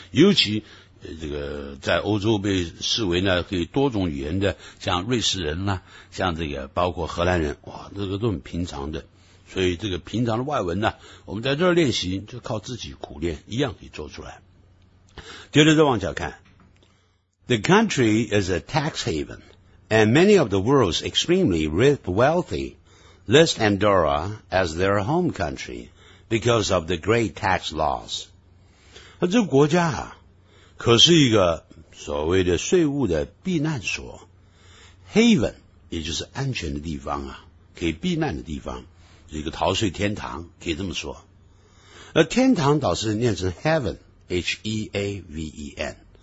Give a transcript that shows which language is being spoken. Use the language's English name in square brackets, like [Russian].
[Chinese] 尤其这个在欧洲被视为呢可以多种语言的像瑞士人啦像这个包括荷兰人哇这个都很平常的。所以这个平常的外文呢我们在这儿练习就靠自己苦练一样可以做出来。接着再往下看。 [English] The country is a tax haven, and many of the world's extremely rich wealthy list Andorra as their home country because of the great tax laws. [Chinese] 这个国家啊，可是一个所谓的税务的避难所。 Haven, 也就是安全的地方啊，可以避难的地方，是一个逃税天堂，可以这么说。而天堂倒是念成 heaven, H-E-A-V-E-N。